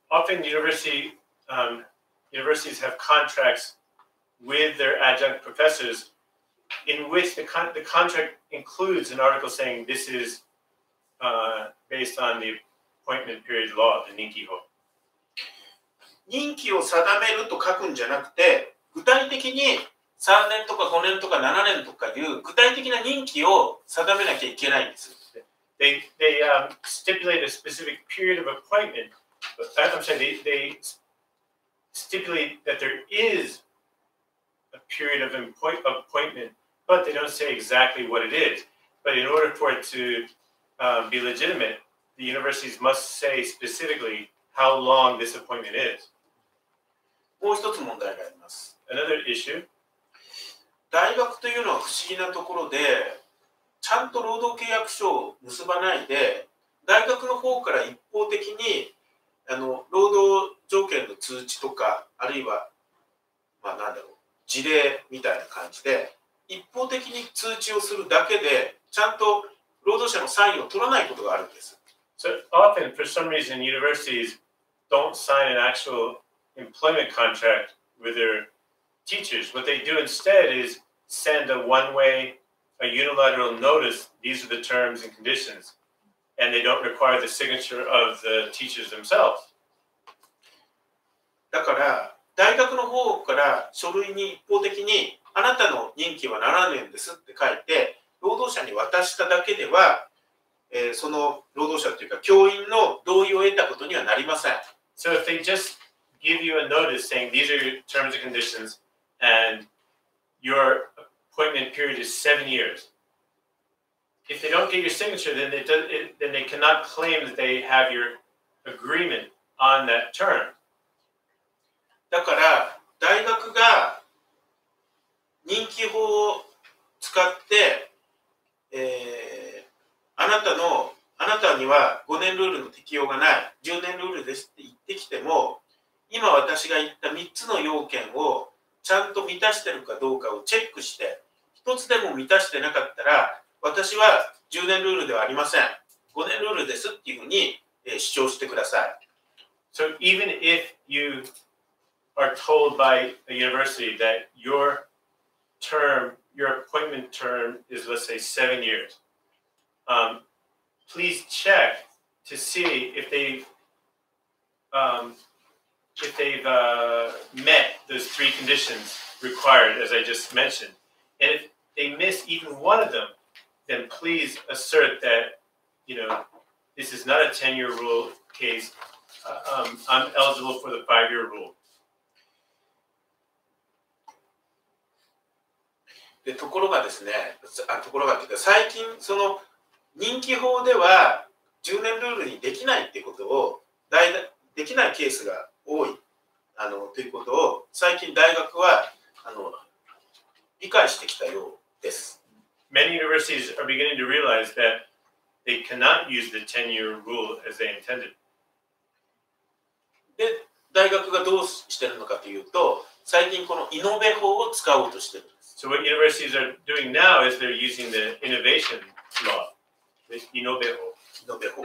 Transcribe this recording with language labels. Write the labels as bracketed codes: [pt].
[en] Often universities have contracts with their adjunct professors in which the contract includes an article saying this is based on the appointment period law, the 任期法。 [ja] 任期を定めると書くんじゃなくて、具体的に3年とか5年とか7年とかいう具体的な任期を定めなきゃいけないんです。 [en] They stipulate a specific period of appointment. I'm sorry, they stipulate that there is a period of appointment, but they don't say exactly what it is. But in order for it to be legitimate, the universities must say specifically how long this appointment is. [ja] もう一つ問題があります。 [en] Another issue. [ja] 大学というのは不思議なところで、ちゃんと労働契約書を結ばないで、大学の方から一方的に労働条件の通知とか、あるいは、事例みたいな感じで、一方的に通知をするだけで、ちゃんと労働者のサインを取らないことがあるんです。 [en] So often, for some reason, universities don't sign an actualemployment contract with their teachers. What they do instead is send a one-way, a unilateral notice, these are the terms and conditions, and they don't require the signature of the teachers themselves. [ja] だから、大学の方から書類に一方的にあなたの任期は7年ですって書いて、労働者に渡しただけでは、その労働者というか教員の同意を得たことにはなりません。 [en] So if they justgive you a notice saying these are your terms and conditions and your appointment period is 7 years. If they don't get your signature, then they cannot claim that they have your agreement on that term. [ja] だから大学が任期法を使って、あなたには5年ルールの適用がない、10年ルールですって言ってきても今私が言った3つの要件をちゃんと満たしてるかどうかをチェックして1つでも満たしてなかったら私は10年ルールではありません5年ルールですっていうふうに主張してください [en] So even if you are told by a university that your term, your appointment term is let's say 7 years、please check to see if they'veMet those three conditions required, as I just mentioned. And if they miss even one of them, then please assert that, this is not a 10-year rule case. I'm eligible for the 5-year rule. [ja] で、ところがですね、ところがというか、最近、その任期法では10年ルールにできないってことを、できないケースが多い。ということを最近大学は理解してきたようです。 [en] Many universities are beginning to realize that they cannot use the 10-year rule as they intended. [ja] で、大学がどうしてるのかというと、最近このイノベ法を使おうとしてるんです。 [en] So what universities are doing now is they're using the innovation law, the Inobe 法。